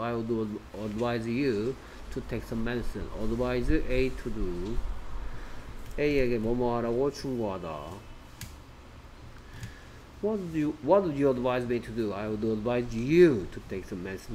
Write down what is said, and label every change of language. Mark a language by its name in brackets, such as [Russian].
[English] I would advise you to take some medicine. advise A to do. [Korean] A에게 뭐뭐 하라고 충고하다. [English] What do you advise me to do? I would advise you to take some medicine.